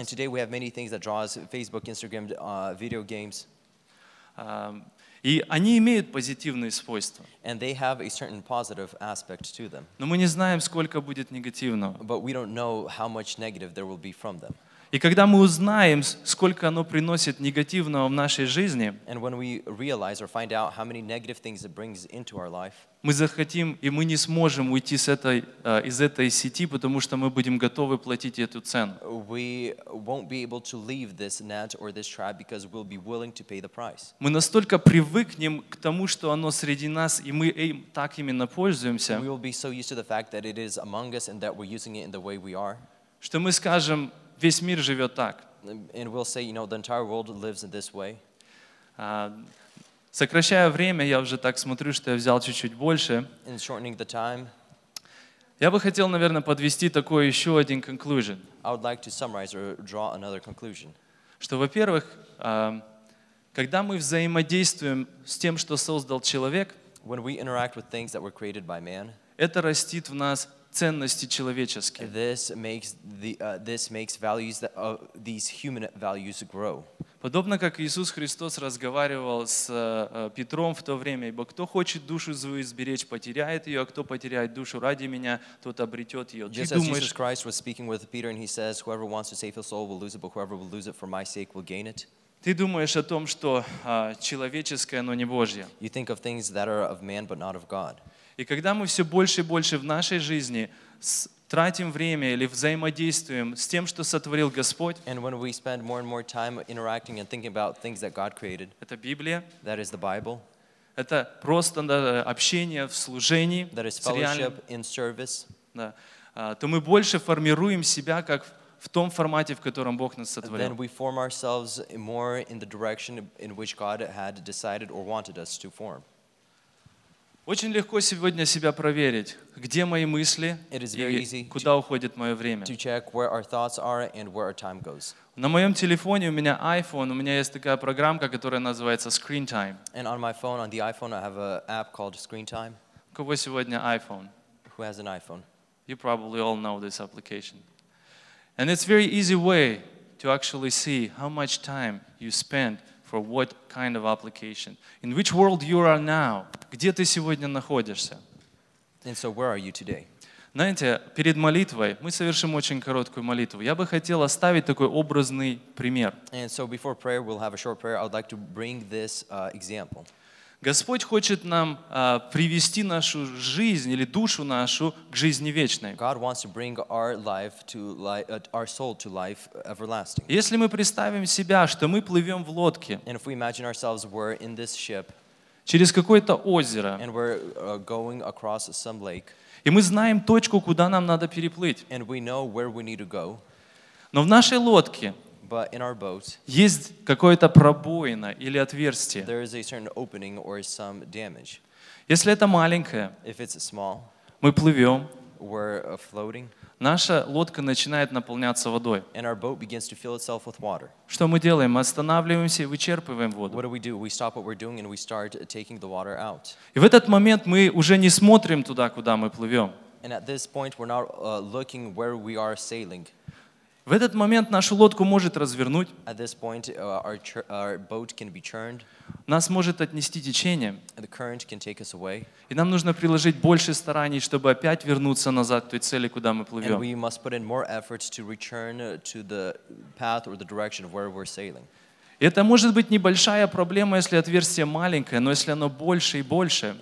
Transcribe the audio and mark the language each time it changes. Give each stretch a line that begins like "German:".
English: And today we have many things that draw us, Facebook, Instagram, video games.
Russian: И они имеют позитивные свойства.
English: And they have a certain positive aspect to them.
Russian: Но мы не знаем, сколько будет негативного.
English: But we don't know how much negative there will be from them.
Russian: И когда мы узнаем, сколько оно приносит негативного в нашей жизни,
English: and when we realize or find out how many negative things it brings into our life,
Russian: мы захотим, и мы не сможем уйти с этой, из этой сети, потому что мы будем готовы платить эту цену.
English: We won't be able to leave this net or this trap because we'll be willing to pay the price.
Russian: Мы настолько привыкнем к тому, что оно среди нас, и мы так именно пользуемся.
English: We will be so used to the fact that it is among us and that we're using it in the way we are.
Russian: Что мы скажем, весь мир живет так.
English: And we'll say, you know, the entire world lives in this way.
Russian: Сокращая время, я уже так смотрю, что я взял чуть-чуть больше.
English: In shortening the time,
Russian: я бы хотел, наверное, подвести такой еще один conclusion.
English: I would like to summarize or draw another conclusion.
Russian: Что, во-первых, когда мы взаимодействуем с тем, что создал человек,
English: when we interact with things that were created by man,
Russian: это растит в нас ценности человеческие.
English: This makes the this makes values that these human values grow.
Russian: Подобно как Иисус Христос разговаривал с Петром в то время, ибо кто хочет душу свою изберечь, потеряет ее, а кто потеряет душу ради меня, тот обретет ее.
English: Just as Jesus Christ was speaking with Peter and he says, whoever wants to save his soul will lose it, but whoever will lose it for my sake will gain it.
Russian: Ты думаешь о том, что человеческое, но не Божье.
English: You think of things that are of man but not of God.
Russian: И когда мы все больше и больше в нашей жизни тратим время или взаимодействуем с тем, что сотворил Господь.
English: And when we spend more and more time interacting and thinking about things that God created.
Russian: Это Библия.
English: That is the Bible.
Russian: Это просто общение в служении.
English: That is fellowship in service.
Russian: Да. То мы больше формируем себя как в том формате, в котором Бог нас сотворил. Then we form ourselves more in the direction in which God had decided or wanted us to form. Очень легко сегодня себя проверить, где мои мысли и куда уходит мое время. На моем телефоне у меня iPhone, у меня есть такая программка, которая называется Screen Time.
English: And on my phone, on the iPhone, I have an app called Screen Time.
Russian: У кого сегодня iPhone?
English: Who has an iPhone? You probably all know this application. And it's a very easy way to actually see how much time you spend for what kind of application. In which world you are now?
Russian: Где ты сегодня находишься?
English: And so where are you today?
Russian: Знаете, перед молитвой мы совершим очень короткую молитву. Я бы хотел оставить такой образный пример.
English: And so before prayer, we'll have a short prayer. I would like to bring this example.
Russian: Господь хочет нам привести нашу жизнь или душу нашу к жизни вечной.
English: God wants to bring our life to life, our soul to life everlasting.
Russian: Если мы представим себя, что мы плывем в лодке,
English: and if we imagine ourselves we're in this ship,
Russian: через какое-то озеро,
English: and we're going across some lake,
Russian: и мы знаем точку, куда нам надо переплыть,
English: and we know where we need to go,
Russian: но в нашей лодке
English: but in our boat,
Russian: есть какое-то пробоина или отверстие.
English: There is a certain opening or some damage.
Russian: Если это маленькое,
English: if it's small,
Russian: мы плывем,
English: we're floating,
Russian: наша лодка начинает наполняться водой.
English: And our boat begins to fill itself with water.
Russian: Что мы делаем? Мы останавливаемся и вычерпываем воду.
English: What do we do? We stop what we're doing and we start taking the water out.
Russian: И в этот момент мы уже не смотрим туда, куда мы плывем.
English: And at this point, we're not looking where we are sailing.
Russian: В этот момент нашу лодку может развернуть.
English: At this point, our boat can be churned.
Russian: Нас может отнести течение.
English: The current can take us away.
Russian: И нам нужно приложить больше стараний, чтобы опять вернуться назад к той цели, куда мы плывем.
English: And we must put in more efforts to return to the path or the direction of where we're sailing.
Russian: Это может быть небольшая проблема, если отверстие маленькое, но если оно больше и больше.